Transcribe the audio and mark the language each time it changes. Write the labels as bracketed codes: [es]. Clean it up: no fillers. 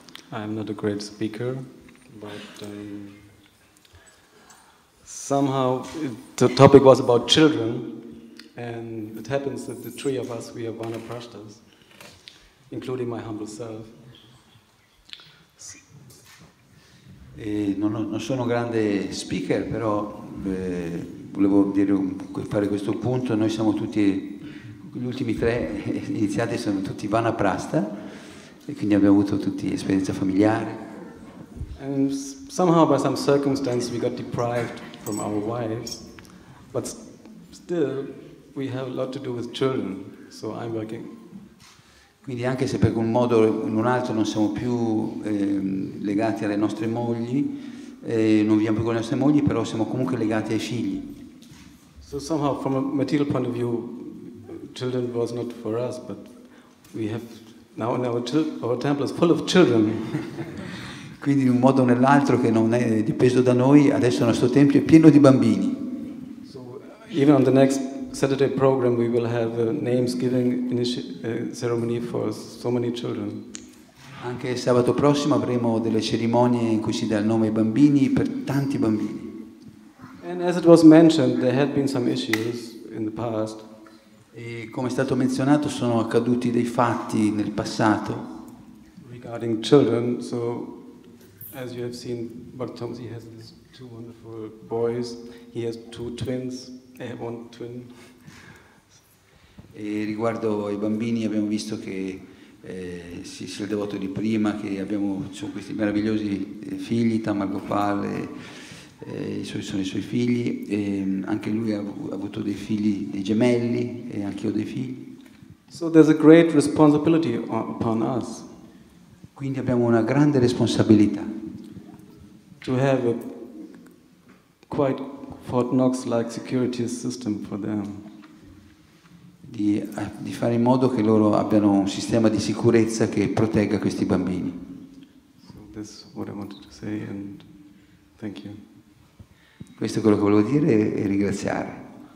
[en] I'm not a great speaker, but somehow the topic was about children, and it happens that the three of us, we are vanaprasthas, including my humble self. [it] Non sono grande speaker, però volevo dire fare questo punto. Noi siamo tutti. Gli ultimi tre iniziati sono tutti vanaprasta e quindi abbiamo avuto tutti esperienza familiare. [en] And somehow by some circumstance we got deprived from our wives, but still we have a lot to do with children, so I'm working. [it] Quindi anche se per un modo o in un altro non siamo più legati alle nostre mogli, non viviamo più con le nostre mogli, però siamo comunque legati ai figli. [en] So somehow from a material point of view children was not for us, but we have now in our temple is full of children. [it] Quindi in un modo o nell'altro che non è dipeso da noi, adesso il nostro tempio è pieno di bambini. [en] So Even on the next Saturday program, we will have a names giving ceremony for so many children. [it] Anche sabato prossimo avremo delle cerimonie in cui si dà il nome ai bambini per tanti bambini. [en] And as it was mentioned, there had been some issues in the past. [it] E come è stato menzionato, sono accaduti dei fatti nel passato. [en] Regarding children, so as you have seen, Bhakti Thomas, he has these two wonderful boys. He has two twins. One twin. [it] E riguardo ai bambini, abbiamo visto che sia il devoto di prima, che abbiamo sono questi meravigliosi figli, Tamal Gopal, sono i suoi figli, e anche lui ha avuto dei figli, dei gemelli, e anche io dei figli. [en] So there's a great responsibility upon us. [it] Quindi abbiamo una grande responsabilità. [en] To have a quite Fort Knox-like security system for them. [it] Di fare in modo che loro abbiano un sistema di sicurezza che protegga questi bambini. [en] So this is what I wanted to say and thank you. [it] Questo è quello che volevo dire e ringraziare.